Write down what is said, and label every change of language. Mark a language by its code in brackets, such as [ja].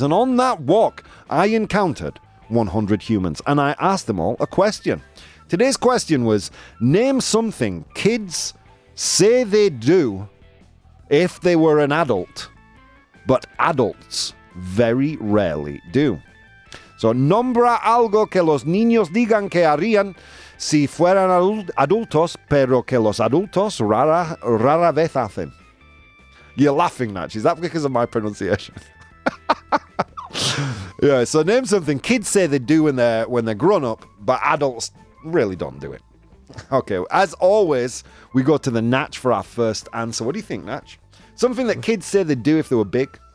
[en] And on that walk, I encountered 100 humans and I asked them all a question. Today's question was, name something kids say they do if they were an adult, but adults very rarely do. [es] So, nombra algo que los niños digan que harían si fueran adultos, pero que los adultos rara vez hacen. [en] You're laughing, Natch. Is that because of my pronunciation? Yeah, so name something kids say they do when they're grown up, but adults really don't do it. Okay, as always, we go to the Natch for our first answer. What do you think, Natch? Something that kids say they'd do if they were big?